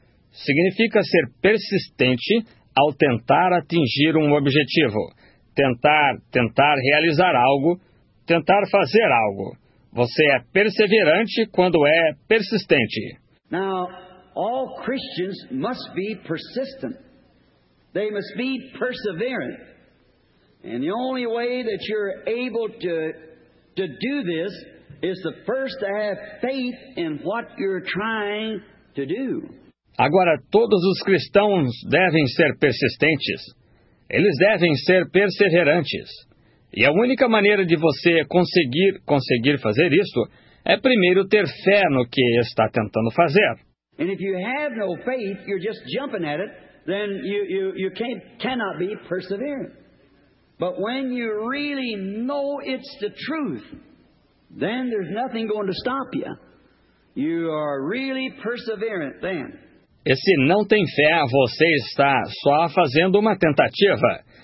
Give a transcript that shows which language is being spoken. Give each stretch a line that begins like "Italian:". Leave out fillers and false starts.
Portuguese: Significa ser persistente ao tentar atingir um objetivo, tentar realizar algo, tentar fazer algo. Você é perseverante quando é persistente.
English: Now, all Christians must be persistent. They must be perseverant. And the only way that you're able to do this is to first have faith in what you're trying to do.
Portuguese: Agora, todos os cristãos devem ser persistentes. Eles devem ser perseverantes. E a única maneira de você conseguir fazer isso é primeiro ter fé no que está tentando fazer.
English: And if you have no faith, you're just jumping at it. Then you cannot be persevering. But when you really know it's the truth, then there's nothing going to stop you. You are really perseverant then.
Portuguese: E se não tem fé, você está só fazendo uma tentativa.